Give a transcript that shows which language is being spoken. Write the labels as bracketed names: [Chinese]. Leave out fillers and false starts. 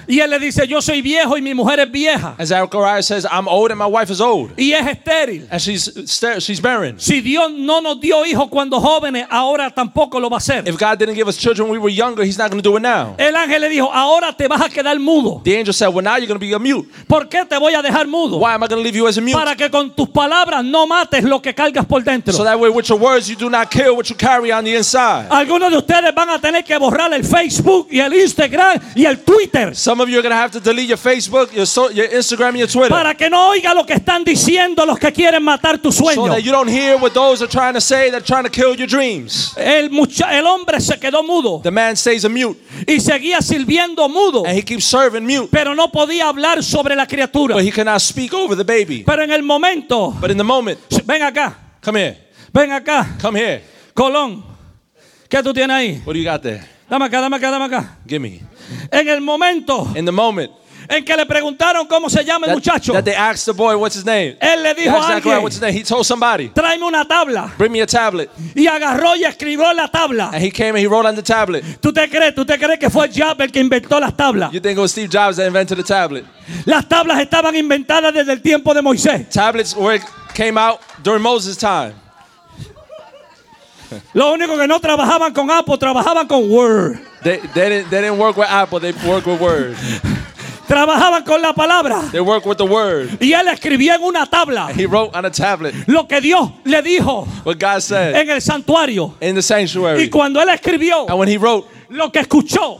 [Spanish] Y él le dice, yo soy viejo y mi mujer es vieja. [English] And Zachariah says, I'm old and my wife is old. [Spanish] Y es estéril. [English] And she's barren. [Spanish] Si Dios no nos dio hijo cuando jóvenes, ahora tampoco lo va a hacer. [English] If God didn't give us children when we were younger, he's not going to do it now. [Spanish] El ángel le dijo, ahora te vas a quedar mudo. [English] The angel said, well, now you're going to be a mute. [Spanish] ¿Por qué te voy a dejar mudo? [English] Why am I going to leave you as a mute? [Spanish] Para que con tus palabras no mates lo que cargas por dentro. [English] So that way with your words you do not kill what you carry on the inside. [Spanish] Algunos de ustedes van a tener que borrar el Facebook y el Instagram y el Twitter. [English] Some of you are going to have to delete your Facebook, your Instagram, and your Twitter. [Spanish] Para que no oiga lo que están diciendo los que quieren matar tu sueño. [English] So that you don't hear what those are trying to say that are trying to kill your dreams. [Spanish] El hombre se quedó mudo. [English] The man stays a mute. [Spanish] Y seguía sirviendo mudo. [English] And he keeps serving mute. [Spanish] Pero no podía hablar sobre la criatura. [English] But he cannot speak over the baby. [Spanish] Pero en el momento. [English] But in the moment. [Spanish] Ven acá. [English] Come here. [Spanish] Ven acá. [English] Come here. [Spanish] Colón. ¿Qué tú tienes ahí? [English] What do you got there? [Spanish] Dame acá, dame acá, dame acá. [English] Give me. [Spanish] En el momento. [English] In the moment. [Spanish] En que le preguntaron cómo se llama el muchacho. [English] That they asked the boy what's his name. [Spanish] Él le dijo a alguien. [English] What's his name. He told somebody. [Spanish] Tráeme una tabla. [English] Bring me a tablet. [Spanish] Y agarró y escribió la tabla. [English] And he came and he wrote on the tablet. [Spanish] ¿Tú te crees que fue Jobs el que inventó las tablas? [English] You think it was Steve Jobs that invented the tablet? [Spanish] Las tablas estaban inventadas desde el tiempo de Moisés. [English] Tablets were came out during Moses' time. [Spanish] Lo único que no trabajaban con Apple, trabajaban con Word. [English] They didn't work with Apple, they worked with Word. [Spanish] Trabajaban con la palabra. [English] They worked with the Word. [Spanish] Y él escribía en una tabla. [English] And he wrote on a tablet. [Spanish] Lo que Dios le dijo. [English] What God said. [Spanish] En el santuario. [English] In the sanctuary. [Spanish] Y cuando él escribió. [English] And when he wrote. [Spanish] Lo que escuchó.